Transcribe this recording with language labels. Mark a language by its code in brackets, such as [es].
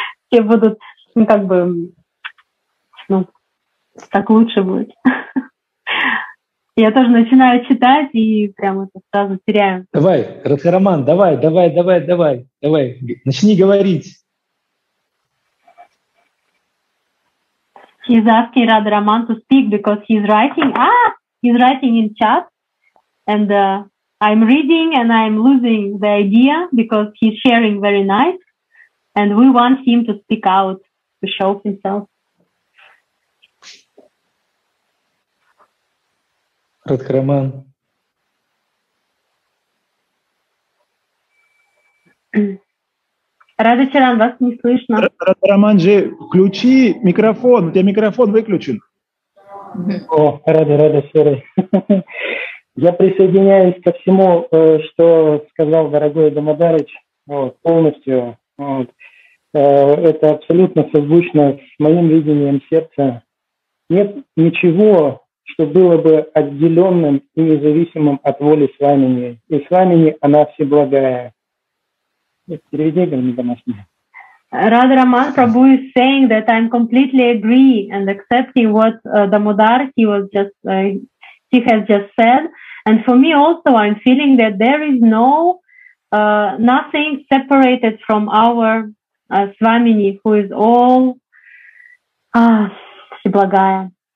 [ru] Все будут, ну, как бы, ну, так лучше будет. Я тоже начинаю читать и прямо это сразу теряю. Давай, Рада Роман, давай, давай, давай, давай, давай, начни говорить. [en] He's asking Rada Raman to speak because he's writing. Ah, he's writing in chat, and I'm reading and I'm losing the idea because he's sharing very nice, and we want him to speak out to show himself. Rada Raman. [ru] Рада Чаран, вас не слышно. Рада Роман, же, включи микрофон. У тебя микрофон выключен. О, рада, Серый. Я присоединяюсь ко всему, что сказал дорогой Домодарыч, вот, полностью. Вот. Это абсолютно созвучно с моим видением сердца. Нет ничего, что было бы отделенным и независимым от воли Свамини. И Свамини, она всеблагая. [en] Rada Raman Prabhu is saying that I'm completely agree and accepting what Damodar he has just said, and for me also I'm feeling that there is no nothing separated from our Swamini, who is all Shiblagaya.